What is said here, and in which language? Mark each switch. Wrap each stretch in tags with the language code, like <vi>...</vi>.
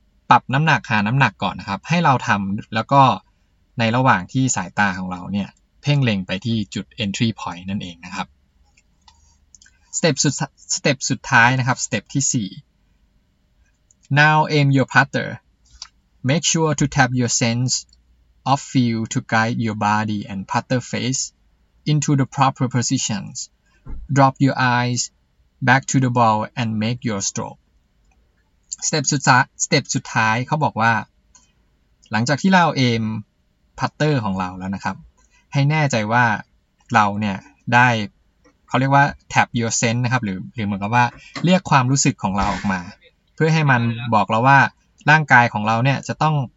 <th>ปรับน้ำหนักหาน้ำหนักก่อนนะครับให้เราทำแล้วก็ในระหว่างที่สายตาของเราเนี่ยเพ่งเล็งไปที่จุด entry point นั่นเองนะครับสเต็ปสุดท้ายนะครับสเต็ปที่4</th> <en>now aim your putter make sure to tap your senseOf feel to guide your body and putter face into the proper positions. Drop your eyes back to the ball and make your stroke.</en> <th>สเต็ปสุดท้ายเขาบอกว่าหลังจากที่เราเอมพัตเตอร์ของเราแล้วนะครับให้แน่ใจว่าเราเนี่ยได้เขาเรียกว่า</th> <en>tap your sense</en> <th>นะครับหรือเหมือนกับว่าเรียกความรู้สึกของเราออกมาเพื่อให้มันบอกเราว่าร่างกายของเราเนี่ยจะต้อง</th>